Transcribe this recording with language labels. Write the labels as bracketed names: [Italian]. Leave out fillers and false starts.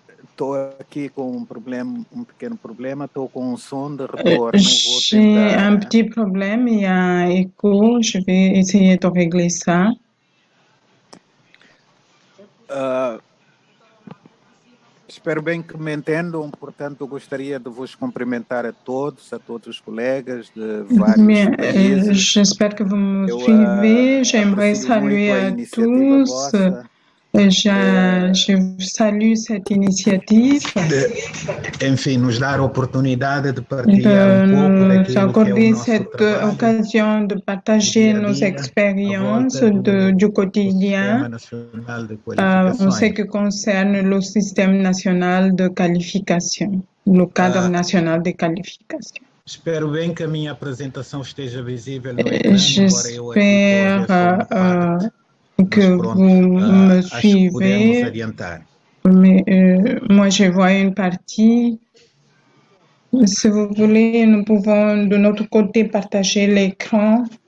[Portuguese] Estou aqui com um pequeno problema, estou com um som de retorno. [French] J'ai un petit problème, il y a écho, je vais essayer de régler ça. [Portuguese] Espero bem que me entendam, portanto, gostaria de vos cumprimentar a todos os colegas de vários países. [French] J'espère que vous me suivez, j'aimerais saluer à tous. Je salue cette initiative. [Portuguese] Enfim, nos dar a oportunidade de partilhar um pouco daquilo que é o nosso trabalho. Nos [French] cette occasion de partager nos expériences du quotidien en ce qui concerne le système national de qualification, le cadre national de qualification. [Portuguese] Espero bem que a minha apresentação esteja visível no ecrã, agora eu que [French] vous me suivez. Moi, je vois une partie. Si vous voulez, nous pouvons de notre côté partager l'écran.